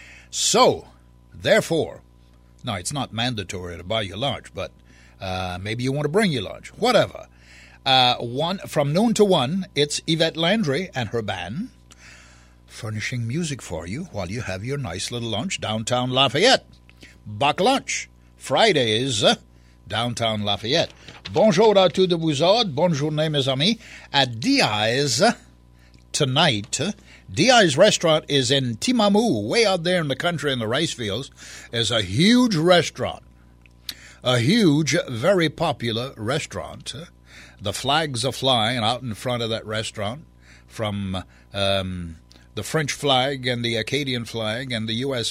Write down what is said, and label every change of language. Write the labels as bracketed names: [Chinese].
[English] So, therefore, now it's not mandatory to buy your lunch, but maybe you want to bring your lunch. Whatever. From noon to one, it's Yvette Landry and her band furnishing music for you while you have your nice little lunch downtown Lafayette. Back lunch, Fridays, downtown Lafayette. [French] Bonjour à tous de vous autres, bonne journée mes amis. [English] At D.I.'s tonight, D.I.'s restaurant is in Timamou, way out there in the country in the rice fields. It's a huge restaurant, a huge, very popular restaurant. The flags are flying out in front of that restaurant from the French flag and the Acadian flag and the U.S.